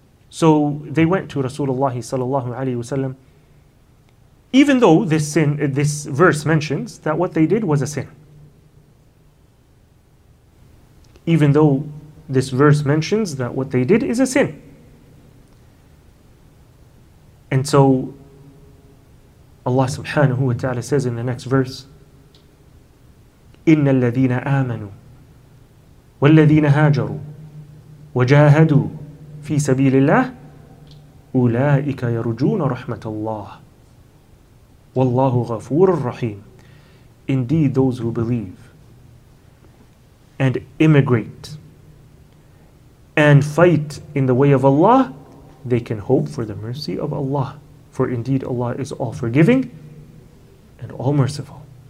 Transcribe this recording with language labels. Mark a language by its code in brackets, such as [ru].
[en] So they went to Rasulullah sallallahu alayhi wasallam, even though this verse mentions that what they did was a sin. Even though this verse mentions that what they did is a sin. And so Allah subhanahu wa ta'ala says in the next verse, [ar] إِنَّ الَّذِينَ آمَنُوا وَالَّذِينَ هَاجَرُوا وَجَاهَدُوا فِي سَبِيلِ اللَّهِ أُولَٰئِكَ يَرُجُونَ رَحْمَةَ اللَّهِ وَاللَّهُ غَفُورٌ رَحِيمٌ. [en] Indeed, those who believe and immigrate and fight in the way of Allah, they can hope for the mercy of Allah. For indeed Allah is all forgiving and all merciful.